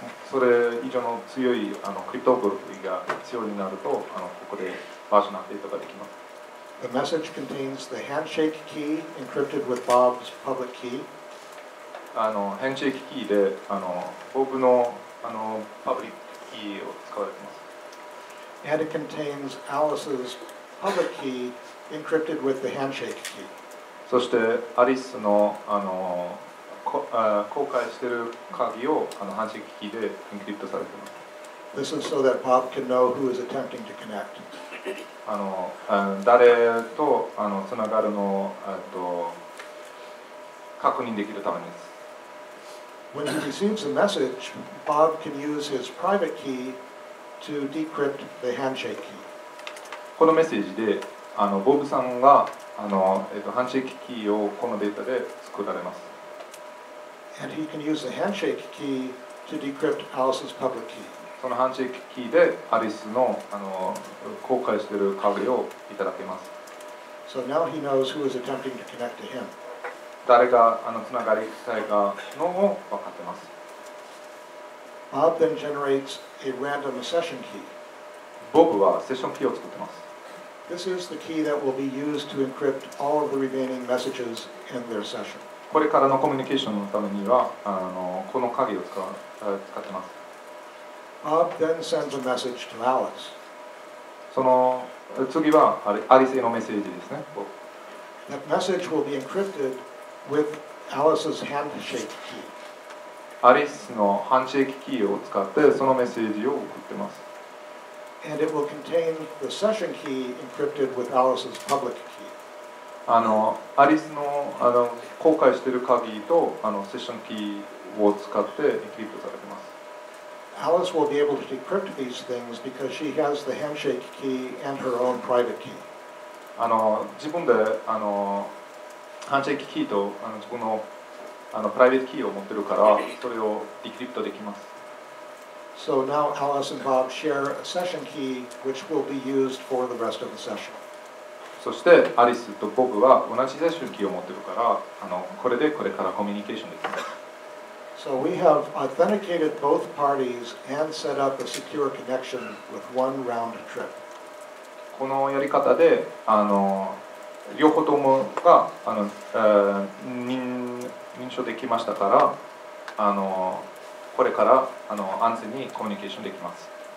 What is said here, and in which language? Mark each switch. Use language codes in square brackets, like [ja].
[ja] それ以上の強いあのクリプトグラフィーが必要になるとあのここでバージョンアップデートができます。 [en] The message contains the handshake key encrypted with Bob's public key. [ja] あの、ヘンシェイクキーで、あの、ボブの、あの、パブリックキーを使われています。 [en] And it contains Alice's public key encrypted with the handshake key. [ja] そして、アリスの、あの、公開している鍵を、あの、ハンシェイクキーでエンクリプトされています。 [en] This is so that Bob can know who is attempting to connect. [ja] あの誰とあのつながるのと確認できるためです。 [en] When he receives a message, Bob can use his private key to decrypt the handshake key. [ja] このメッセージで、あのボブさんがあの、ハンシェイクキーをこのデータで作られます。 [en] And he can use the handshake key to decrypt Alice's public key. [ja] そのハンシェイクキーでアリスの、あの、公開している鍵をいただけます。 [en] So now he knows who is attempting to connect to him. [ja] 誰が、あの、つながりたいかのを分かってます。 [en] Bob then generates a random session key. [ja] ボブはセッションキーを作ってます。 [en] This is the key that will be used to encrypt all of the remaining messages in their session. [ja] これからのコミュニケーションのためには、あの、この鍵を使ってます。 [en] Bob then sends a message to Alice. [ja] その次はアリスへのメッセージですね。 [en] That message will be encrypted with Alice's handshake key. [ja] アリスのハンシェイクキーを使ってそのメッセージを送ってます。 [en] And it will contain the session key encrypted with Alice's public key. [ja] あのアリスの、あの公開している鍵とあのセッションキーを使ってエンクリプトされています。 [en] Alice will be able to decrypt these things because she has the handshake key and her own private key. [ja] あの、自分で、あの、ハンシェイクキーと、あの、自分の、あの、プライベートキーを持ってるから、それをディクリプトできます。 [en] So now Alice and Bob share a session key which will be used for the rest of the session. [ja] そして、アリスとボブは同じセッションキーを持ってるから、あの、これでこれからコミュニケーションできます。 [en] So we have authenticated both parties and set up a secure connection with one round trip. [ja] このやり方で、あの、両方ともが、あの、認証できましたから、あの、これから、あの、安全にコミュニケーションできます。